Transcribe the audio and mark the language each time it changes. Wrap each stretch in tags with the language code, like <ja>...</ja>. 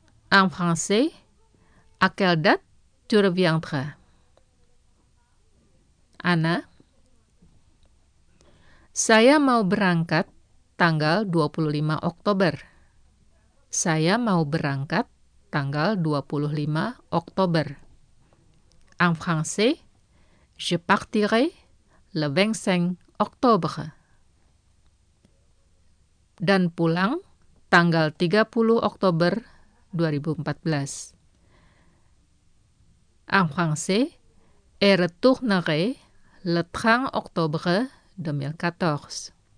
<fr>En français, à quelle date tu reviendras?</fr> <id>Anna, saya mau berangkat tanggal 25 Oktober. Saya mau berangkat tanggal 25 Oktober.</id> <fr>En français, je partirai le 25 octobre.</fr> <id>Dan pulang tanggal 30 Oktober 2014.</id> <fr>En français, et retournerai le 30 octobre 2014.</fr>